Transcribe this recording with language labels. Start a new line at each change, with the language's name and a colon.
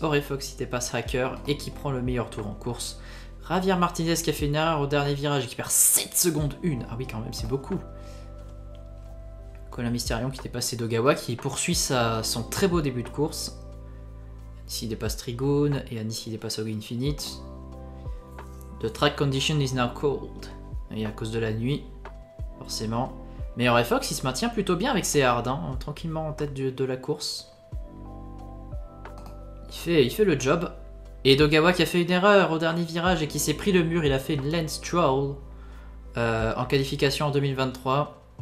French: Auré Fox qui dépasse Hacker et qui prend le meilleur tour en course. Javier Martinez qui a fait une erreur au dernier virage et qui perd 7 secondes 1. Ah oui, quand même, c'est beaucoup. Colin Mysterion qui dépasse Edogawa, qui poursuit son très beau début de course. Ici, il dépasse Trigone, et Anis, il dépasse Hogue Infinite.
English: The track condition is now cold.
French: Et à cause de la nuit, forcément. Meilleur Fox, il se maintient plutôt bien avec ses hards, hein, tranquillement en tête de la course. Il fait le job. Et Edogawa qui a fait une erreur au dernier virage et qui s'est pris le mur, il a fait une Lance Stroll en qualification en 2023.